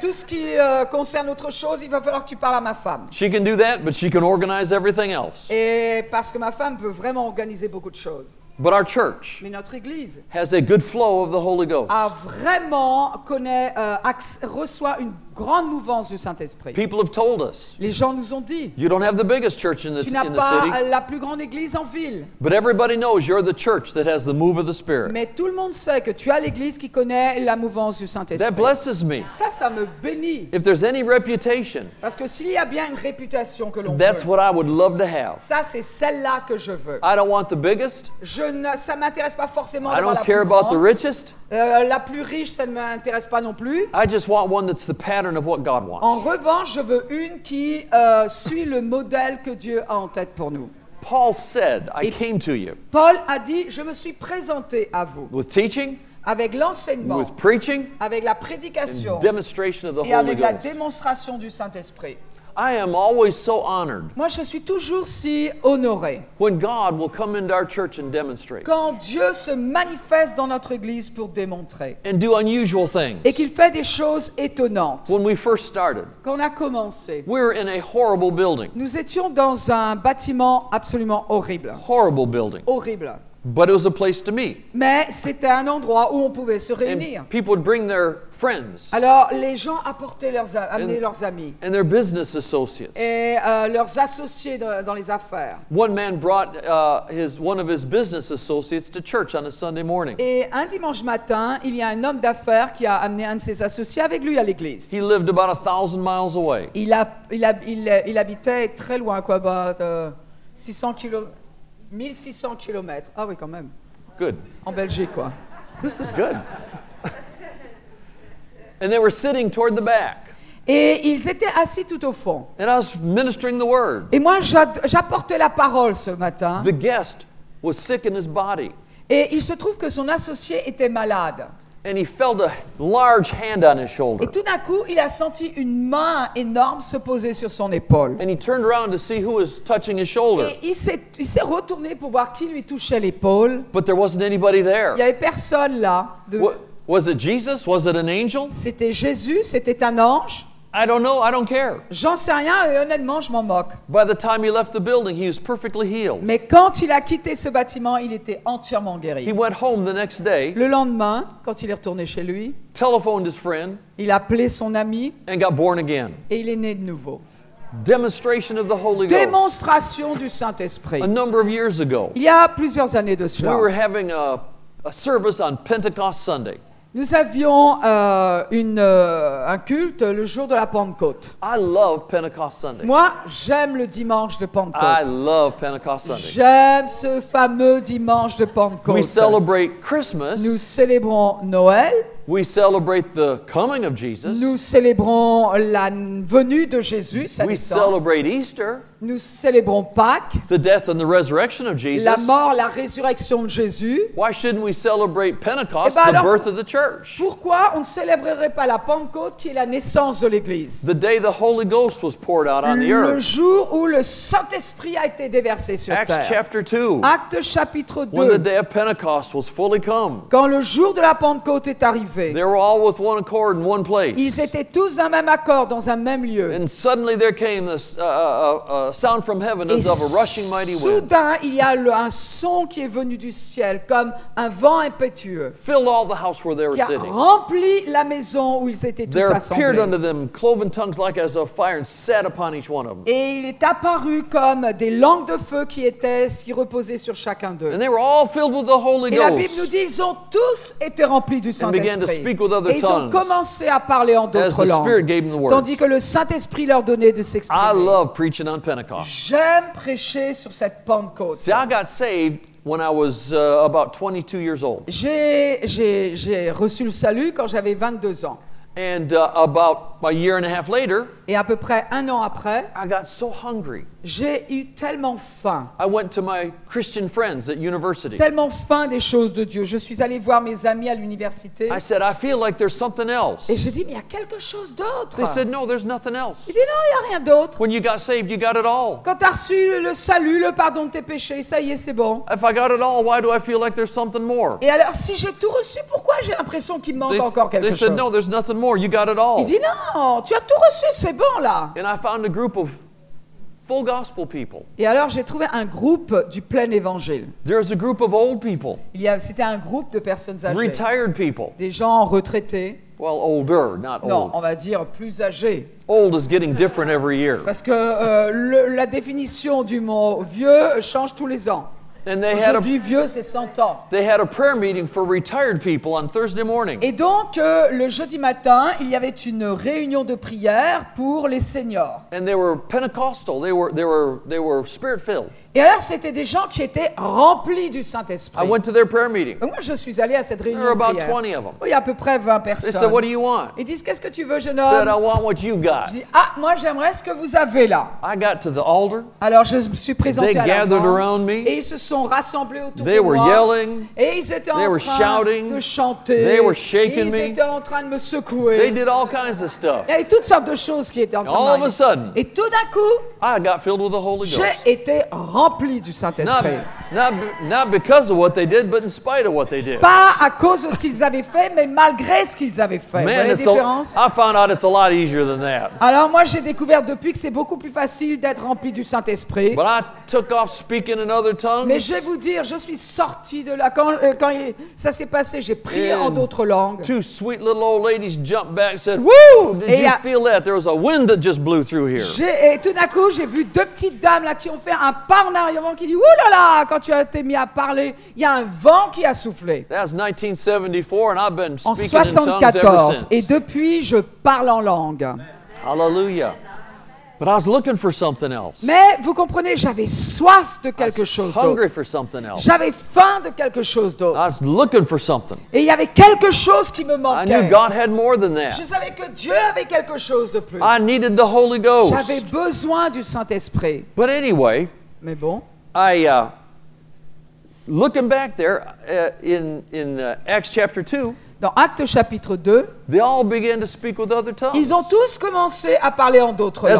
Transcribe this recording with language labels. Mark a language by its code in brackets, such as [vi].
[fr] Tout ce qui concerne autre chose, il va falloir que tu parles à ma femme. [en] She can do that, but she can organize everything else. [fr] Et parce que ma femme peut vraiment organiser beaucoup de choses. [en] But our church [fr] Mais notre église [en] has a good flow of the Holy Ghost. [fr] A vraiment connaît, reçoit une grande mouvance du Saint-Esprit. [en] People have told us. [fr] Les gens nous ont dit. [en] You don't have the biggest church in the city. [fr] Tu n'as pas la plus grande église en ville. [en] But everybody knows you're the church that has the move of the Spirit. [fr] Mais tout le monde sait que tu as l'église qui connaît la mouvance du Saint-Esprit. [en] That blesses me. [fr] Ça me bénit. [en] If there's any reputation, [fr] parce que s'il y a bien une réputation que l'on [en] that's [fr] veut, [en] that's what I would love to have. [fr] Ça c'est celle-là que je veux. [en] I don't want the biggest. [fr] Ça m'intéresse pas forcément. [en] I don't care about the richest. [fr] La plus riche, ça ne m'intéresse pas non plus. [en] I just want one that's the pattern of what God wants. [fr] En revanche, je veux une qui suit le modèle que Dieu a en tête pour nous. [en] Paul said, I came to you. [fr] Paul a dit, je me suis présenté à vous. [en] With teaching. [fr] Avec l'enseignement. [en] With preaching. [fr] Avec la prédication. [en] And demonstration of the [fr] et [en] Holy [fr] avec [en] Ghost. [fr] La démonstration du Saint-Esprit. [en] I am always so honored. [fr] Moi, je suis toujours si honoré. [en] When God will come into our church and demonstrate. [fr] Quand Dieu se manifeste dans notre église pour démontrer. [en] And do unusual things. [fr] Et qu'il fait des choses étonnantes. [en] When we first started. [fr] Quand on a commencé. [en] We were in a horrible building. [fr] Nous étions dans un bâtiment absolument horrible. [en] Horrible building. [fr] Horrible. [en] But it was a place to meet. [fr] Mais c'était un endroit où on pouvait se réunir. [en] And people would bring their friends. [fr] Alors les gens apportaient leurs amenaient leurs amis. [en] And their business associates. [fr] Et leurs associés dans les affaires. [en] One man brought one of his business associates to church on a Sunday morning. [fr] Et un dimanche matin, il y a un homme d'affaires qui a amené un de ses associés avec lui à l'église. [en] He lived about 1,000 miles away. [fr] Il habitait très loin, quoi, 600 kilomètres. 1600 kilomètres. Ah oui, quand même. [en] Good. [fr] En Belgique, quoi. [en] This is good. And they were sitting toward the back. [fr] Et ils étaient assis tout au fond. [en] And I was ministering the word. [fr] Et moi, j'apportais la parole ce matin. [en] The guest was sick in his body. [fr] Et il se trouve que son associé était malade. [en] And he felt a large hand on his shoulder. [fr] Et tout d'un coup, il a senti une main énorme se poser sur son épaule. [en] And he turned around to see who was touching his shoulder. [fr] Et il s'est retourné pour voir qui lui touchait l'épaule. [en] But there wasn't anybody there. [fr] Il y avait personne là. [en] Was it Jesus? Was it an angel? [fr] C'était Jésus, c'était un ange. [en] I don't know, I don't care. [fr] J'en sais rien et honnêtement, je m'en moque. [en] By the time he left the building, he was perfectly healed. [fr] Mais quand il a quitté ce bâtiment, il était entièrement guéri. [en] He went home the next day. [fr] Le lendemain, quand il est retourné chez lui, [en] telephoned his friend. [fr] Il a appelé son ami. [en] And got born again. [fr] Et il est né de nouveau. [en] Demonstration of the Holy Ghost. [fr] Démonstration du Saint-Esprit. [en] A number of years ago. [fr] Il y a plusieurs années de cela. [en] We were having a service on Pentecost Sunday. [fr] Nous avions un culte le jour de la Pentecôte. [en] I love Pentecost Sunday. [fr] Moi, j'aime le dimanche de Pentecôte. [en] I love Pentecost Sunday. [fr] J'aime ce fameux dimanche de Pentecôte. [en] We celebrate Christmas. [fr] Nous célébrons Noël. [en] We celebrate the coming of Jesus. [fr] Nous célébrons la venue de Jésus. [en] We celebrate Easter. [fr] Nous célébrons Pâques. [en] The death and the resurrection of Jesus. [fr] La mort, la résurrection de Jésus. [en] Why shouldn't we celebrate Pentecost, [fr] eh ben alors, [en] the birth of the church? [fr] Pourquoi on ne célébrerait pas la Pentecôte qui est la naissance de l'Église? [en] The day the Holy Ghost was poured out on the earth. [fr] Le jour où le Saint-Esprit a été déversé sur [en] Acts [fr] terre. [en] Chapter 2. [fr] Actes chapitre 2. [en] When the day of Pentecost was fully come. [fr] Quand le jour de la Pentecôte est arrivé. [en] They were all with one accord in one place. [fr] Ils étaient tous d'un même accord dans un même lieu. [en] And suddenly there came this sound from heaven as of a rushing mighty wind. [fr] Soudain, il y a un son qui est venu du ciel comme un vent impétueux. [en] Filled all the house where they were sitting. [fr] Qui a rempli la maison où ils étaient tous assemblés. [en] There appeared unto them cloven tongues like as of fire and sat upon each one of them. [fr] Et il est apparu comme des langues de feu qui reposaient sur chacun d'eux. [en] And they were all filled with the Holy Ghost. [fr] Et la Bible nous dit ils ont tous été remplis du Saint-Esprit. [en] And began to speak with other tongues. [fr] Et ils ont commencé à parler en d'autres langues. [en] As the Spirit gave them the words. [fr] Tandis que le Saint-Esprit leur donnait de s'exprimer. [en] I love preaching on Pentecost. [fr] J'aime prêcher sur cette Pentecôte. [en] See, I got saved when I was about 22 years old. [fr] J'ai reçu le salut quand j'avais 22 ans. [en] And about a year and a half later, [fr] et à peu près un an après, [en] I got so hungry. [fr] J'ai eu tellement faim. [en] I went to my Christian friends at university. [fr] Tellement faim des choses de Dieu. Je suis allé voir mes amis à l'université. [en] I said, I feel like there's something else. [fr] Et j'ai dit, mais il y a quelque chose d'autre. [en] They said, no, there's nothing else. [fr] Ils disent, non, il y a rien d'autre. [en] When you got saved, you got it all. [fr] Quand t'as reçu le salut, le pardon de tes péchés, ça y est, c'est bon. [en] If I got it all, why do I feel like there's something more? [fr] Et alors, si j'ai tout reçu, pourquoi j'ai l'impression qu'il manque encore quelque chose? [en] They said, no, there's nothing more. You got it all. [fr] Ils disent, non, tu as tout reçu, c'est bon là. [en] And I found a group of full gospel people. [fr] Et alors j'ai trouvé un groupe du plein évangile. [en] There's a group of old people. [fr] C'était un groupe de personnes âgées. [en] Retired people. [fr] Des gens retraités. [en] Well, older, not old. [fr] Non, on va dire plus âgés. [en] Old is getting different every year. [fr] Parce que la définition du mot vieux change tous les ans. [en] And they had [fr] aujourd'hui, vieux, c'est 100 ans. [en] They had a prayer meeting for retired people on Thursday morning. [fr] Et donc, le jeudi matin, il y avait une réunion de prière pour les seniors. [en] And they were Pentecostal. They were spirit-filled. [fr] Et alors, c'était des gens qui étaient remplis du Saint-Esprit. [en] I went to their prayer meeting. [fr] Et moi, je suis allé à cette réunion [en] there were about [fr] de prière. [en] 20 of them. [fr] Oh, il y a à peu près 20 personnes. [en] They said, what do you want? [fr] Ils disent, qu'est-ce que tu veux, jeune homme? [en] I said, I want what you got. [fr] Je dis, ah, moi, j'aimerais ce que vous avez là. [en] I got to the altar. [fr] Alors, je me suis présenté [en] they [fr] à l'avant. [en] They gathered around me. [fr] Et ils se sont rassemblés autour [en] they [fr] de moi. [en] They were yelling. [fr] Et ils étaient [en] they [fr] en [en] were [fr] train [en] shouting. [fr] De chanter. [en] They were shaking [fr] ils [en] me. [fr] Étaient en train de me secouer. [en] They did all kinds of stuff. [fr] Il y avait toutes sortes de choses qui étaient en train [en] all [fr] de [en] of a sudden, [fr] et tout d'un coup, [en] I got filled with the Holy Ghost. [fr] J'ai été rempli du Saint-Esprit. [en] Not because of what they did, but in spite of what they did. [fr] Pas à cause de ce qu'ils avaient fait, mais malgré ce qu'ils avaient fait. [en] Man, [fr] voilà la différence. [en] I found out it's a lot easier than that. [fr] Alors moi, j'ai découvert depuis que c'est beaucoup plus facile d'être rempli du Saint-Esprit. [en] But I took off speaking in other tongues. [fr] Mais je vais vous dire, je suis sorti de là quand ça s'est passé. J'ai prié [en] and [fr] en d'autres langues. [en] Two sweet little old ladies jumped back and said, "Woo! Did you feel that? There was a wind that just blew through here." [fr] Et tout d'un coup, j'ai vu deux petites dames là qui ont fait un pas en arrière qui dit, "Ouh là là!" Quand tu as été mis à parler, il y a un vent qui a soufflé. [en] That's 1974, and I've been speaking [fr] en 74, et depuis, je parle en langue. [en] Hallelujah. But I was looking for something else. [fr] Mais vous comprenez, j'avais soif de quelque chose [en] hungry [fr] d'autre. [en] For something else. [fr] J'avais faim de quelque chose d'autre. [en] I was looking for something. [fr] Et il y avait quelque chose qui me manquait. [en] I knew God had more than that. [fr] Je savais que Dieu avait quelque chose de plus. [en] I needed the Holy Ghost. [fr] J'avais besoin du Saint-Esprit. [en] But anyway, [fr] mais bon, [en] looking back there in Acts chapter 2, [fr] dans Actes chapitre 2, [en] they all began to speak with other tongues. [fr] Ils ont tous commencé à parler en d'autres langues.